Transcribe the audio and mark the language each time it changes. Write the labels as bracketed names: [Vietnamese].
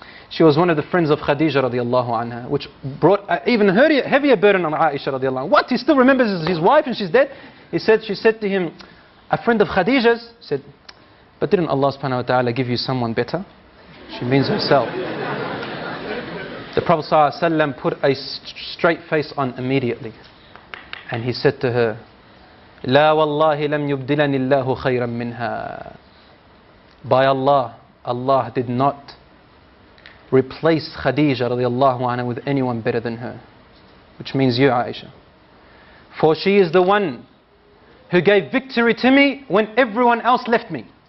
[English] She was one of the friends of Khadija radiallahu anha, which brought even her heavier burden on Aisha radiallahu anha. What? He still remembers his wife and she's dead? He said, she said to him, a friend of Khadija's. He said, but didn't Allah subhanahu wa ta'ala give you someone better? She means herself. The Prophet sallallahu alayhi wa sallam put a straight face on immediately. [Arabic] And he said to her, لا والله لم يبدلني الله خيرا منها. [English] By Allah, Allah did not replace Khadija radiallahu anha with anyone better than her, which means you, Aisha. For she is the one who gave victory to me when everyone else left me.